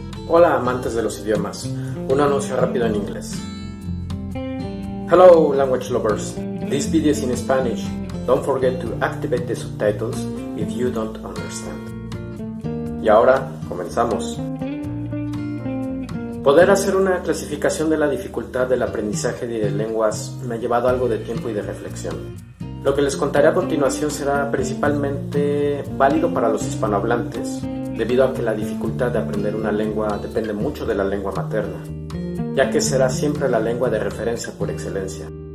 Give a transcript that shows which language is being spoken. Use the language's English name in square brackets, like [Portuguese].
[Spanish] Hola amantes de los idiomas, un anuncio rápido en inglés. [English] Hello language lovers, this video is in Spanish. Don't forget to activate the subtitles if you don't understand. [Spanish] Y ahora, comenzamos. Poder hacer una clasificación de la dificultad del aprendizaje de lenguas me ha llevado algo de tiempo y de reflexión. Lo que les contaré a continuación será principalmente válido para los hispanohablantes, debido a que la dificultad de aprender una lengua depende mucho de la lengua materna, ya que será siempre la lengua de referencia por excelencia.